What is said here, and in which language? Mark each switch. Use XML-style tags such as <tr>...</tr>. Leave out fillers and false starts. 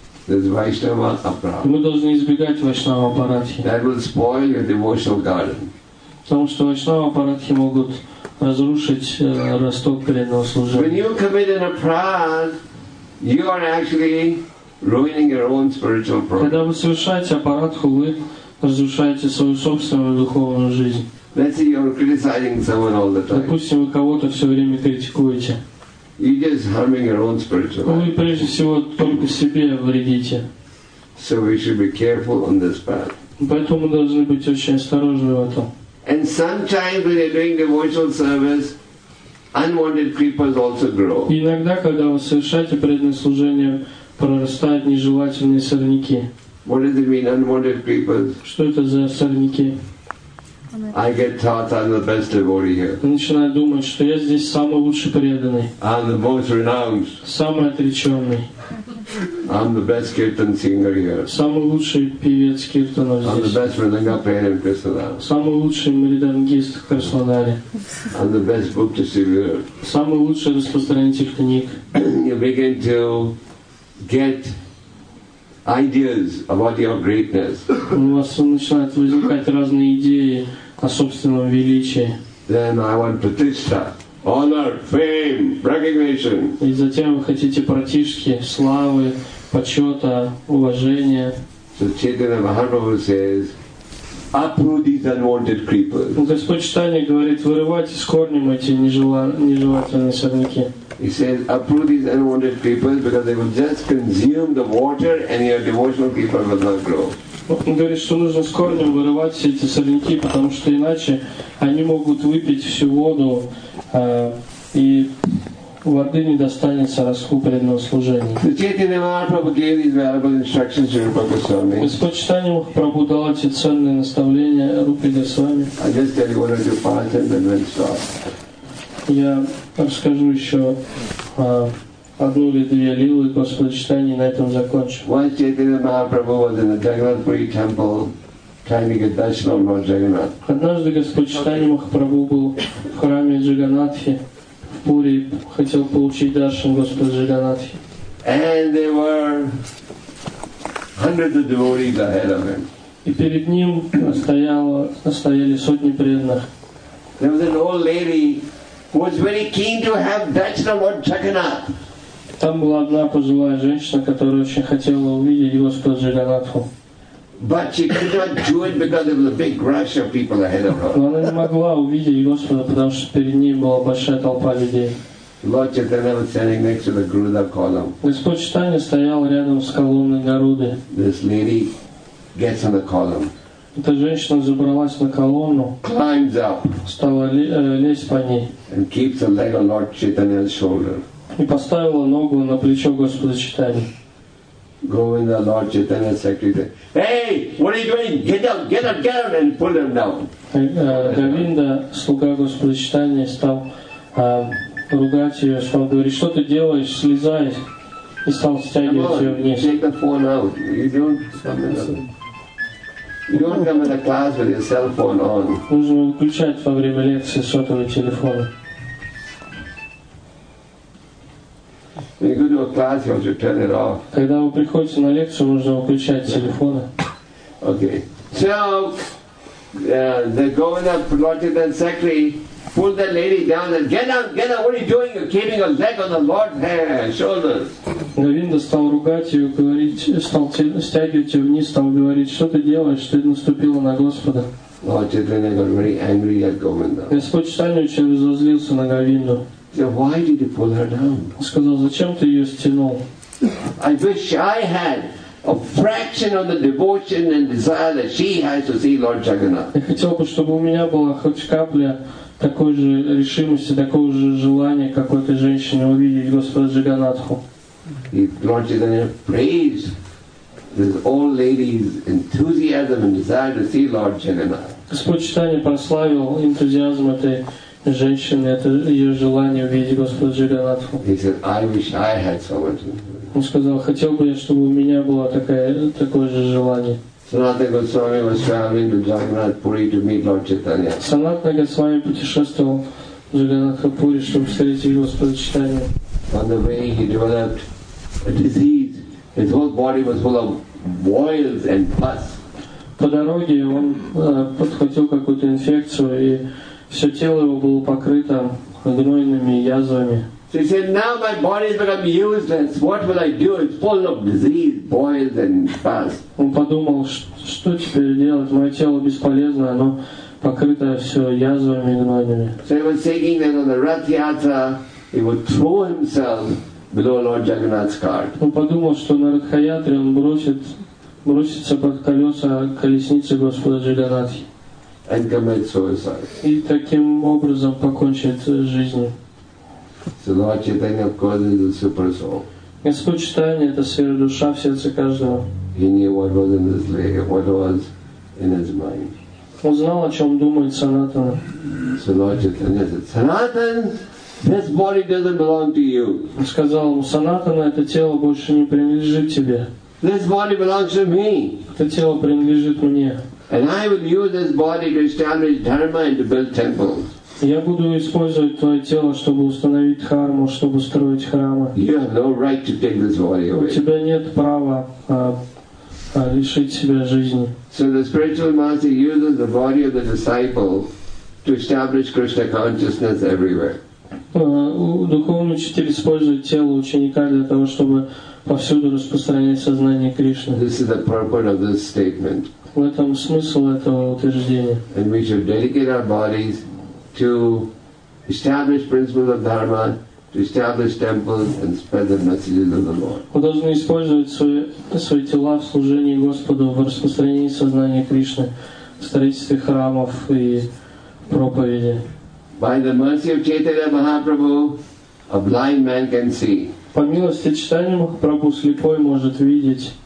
<ru>Мы должны избегать вайшнава апарадхи.</ru> <en>That will spoil your devotional garden.</en> <ru>Потому что вайшнава апарадхи могут разрушить росток преданного служения.</ru> <en>When you commit an apparat, you are actually ruining your own spiritual progress.</en> <ru>Когда вы совершаете апарадху, вы разрушаете свою собственную духовную жизнь.</ru> <en>Let's say you're criticizing someone all the time.</en> <ru>Допустим, вы кого-то все время критикуете.</ru> <en>You're just harming your own spiritual life.</en> <ru>Вы прежде всего только себе вредите.</ru> <en>So we should be careful on this path.</en> <ru>Поэтому мы должны быть очень осторожны в этом.</ru> <en>And sometimes when you're doing devotional service, unwanted creepers also grow.</en> <ru>Иногда, когда вы совершаете преданное служение, прорастают нежелательные сорняки.</ru> <en>What does it mean, unwanted creepers?</en> <ru>Что это за сорняки?</ru> <en>I get taught I'm the best devotee here.</en> <ru>Начинаю думать, что я здесь самый лучший преданный.</ru> <en>I'm the most renowned.</en> <ru>Самый отреченный.</ru> <en>I'm the best kirtan singer here.</en> <ru>Самый лучший певец киртана здесь.</ru> <en>I'm the best мридангапаян in Краснодаре.</en> <ru>Самый лучший мридангист в Краснодаре.</ru> <en>I'm the best book distributor.</en> <ru>Самый лучший распространитель книг.</ru> <en>You begin to get ideas about your greatness.</en> <ru>У вас начинают возникать разные идеи о собственном величии.</ru> <en>Then I want pratishtha, honor, fame, recognition.</en> <ru>И затем вы хотите пратишки, славы, почета, уважения.</ru> <en>So Chaitanya Mahaprabhu says, uproot these unwanted creepers.</en> <ru>Господь Читания говорит, вырывайте с корнем эти нежелательные сорняки.</ru> <en>He says, uproot these unwanted creepers because they will just consume the water and your devotional creeper will not grow.</en> <ru>Он говорит, что нужно с корнем вырывать все эти сорняки, потому что иначе они могут выпить всю воду, и воды не достанется Раску преданного служения.</ru> <en>The Chaitanya Mahaprabhu gave these valuable instructions to Rupa Goswami.</en> <ru>Господь Чайтанья Махапрабху дал эти ценные наставления Рупе Госвами.</ru> <en>I just tell you one or two parts and then we'll stop.</en> <ru>Я расскажу еще одну или две лилы Господа Чайтанья и на этом закончу.</ru> <en>Once Chaitanya Mahaprabhu was in the Jagannath Puri temple,</en> <ru>однажды Господь Чайтанья Махапрабху был в храме Джаганнатхи в Пури, хотел получить даршан Господа Джаганнатхи.</ru> <en>And there were hundreds of devotees ahead of him.</en> <ru>И перед ним стояли сотни преданных.</ru> <en>There was an old lady who was very keen to have darshan of Jagannath.</en> <ru>Там была одна пожилая женщина, которая очень хотела увидеть Господа Джаганнатху.</ru> <en>But she could not do it because there was a big rush of people ahead of her.</en> <ru>Она не могла увидеть Господа, потому что перед ней была большая толпа людей.</ru> <en>Lord Chaitanya was standing next to the Garuda column.</en> <ru>Господь Чайтанья стоял рядом с колонной Гаруды.</ru> <en>This lady gets on the column.</en> <ru>Эта женщина забралась на колонну.</ru> <en>Climbs up.</en> <ru>Стала лезть по ней.</ru> <en>And keeps a leg on Lord Chaitanya's shoulder.</en> <ru>И поставила ногу на плечо Господа Чайтаньи.</ru> <en>Govinda, Lord Chaitanya's secretary, hey, what are you doing? Get up, get up, get up, and pull him down.</en> <ru>Govinda, слуга Господа Чайтанья, стал ругать ее, стал говорить, что ты делаешь, слезай, и стал стягивать ее вниз.</ru> <en>Take the phone out. You don't come in a class with your cell phone on.</en> <ru>Нужно выключать во время лекции сотовый телефон.</ru> <en>When you go to a class, you have to turn it off.</en> <ru>Когда вы приходите на лекцию, нужно выключать телефоны.</ru> <en>Okay. So, the Govinda Lord and secretary pulled the lady down and get up, what are you doing? You're keeping your leg on the Lord's shoulders.</en> <ru>Говинда стал ругать ее, говорить, стал стягивать ее вниз, стал говорить, что ты делаешь, ты наступила на Господа.</ru> <en>Lord Chaitanya got very angry at Govinda.</en> <ru>Господь Чайтанья очень разозлился на Говинду.</ru> <en>So why did you pull her down?</en> <ru>Сказал, зачем ты ее стянул?</ru> <en>I wish I had a fraction of the devotion and desire that she has to see Lord Jagannath.</en> <ru>Я хотел бы, чтобы у меня была хоть капля такой же решимости, такого же желания, как у этой женщины увидеть Господа Джаганнатху.</ru> <en>Lord Jagannath praised this old lady's enthusiasm and desire to see Lord Jagannath.</en> <ru>Господь Чайтанья прославил энтузиазм этой женщины, это ее желание увидеть Господа Джаганнатху.</ru> <en>He said, I wish I had so much.</en> <ru>Он сказал, хотел бы я, чтобы у меня было такое же желание.</ru> <en>Sanatana Goswami was traveling to Jagannath Puri to meet Lord Chaitanya.</en> <ru>Sanatana Goswami путешествовал в Джаганнатха Пури, чтобы встретить Господа Чайтанью.</ru> <en>On the way he developed a disease. His whole body was full of boils and pus.</en> <ru>По дороге он подхватил какую-то инфекцию и все тело его было покрыто гнойными язвами.</ru> <en>So he said, now my body has become useless. What will I do? It's full of disease, boils and pus.</en> <ru>Он подумал, что теперь делать? Мое тело бесполезно, оно покрыто все язвами гнойными.</ru> <en>So he was thinking that on the Rath Yatra, he would throw himself below Lord Jagannath's cart.</en> <ru>Он подумал, что на Ратха Ятре он бросится под колеса колесницы Господа Джаганнатхи.</ru> <en>And commit suicide.</en> <ru>И таким образом покончит жизнь.</ru> <en>So Lord Chaitanya, of course, is the super soul.</en> <ru>Господь Чайтанья — это сверхдуша в сердце каждого.</ru> <en>He knew what was in his leg, what was in his mind.</en> <ru>Он знал, о чем думает Санатана.</ru> <en>So Lord Chaitanya said, Sanatana, this body doesn't belong to you.</en> <ru>Он сказал ему, Санатана, это тело больше не принадлежит тебе.</ru> <en>This body belongs to me.</en> <ru>Это тело принадлежит мне.</ru> <en>And I will use this body to establish dharma and to build temples.</en> <ru>Я буду использовать твое тело, чтобы установить дхарму, чтобы строить храмы.</ru> <en>You have no right to take this body away.</en> <ru>У тебя нет права лишить себя жизни.</ru> <en>So the spiritual master uses the body of the disciple to establish Krishna consciousness everywhere.</en> <ru>Духовный учитель использует тело ученика для того, чтобы повсюду распространять сознание Кришны.</ru> <en>This is the purpose of this statement.</en> <ru>В этом смысл этого утверждения.</ru> <en>And we should dedicate our bodies to establish principles of dharma, to establish temples and spread the messages of the Lord.</en> <ru>Мы должны использовать свои тела в служении Господу, в распространении сознания Кришны, в строительстве храмов и проповеди.</ru> <en>By the mercy of Chaitanya Mahaprabhu, A blind man can see.</en> <ru>По милости читания Махапрабху слепой может видеть.</ru>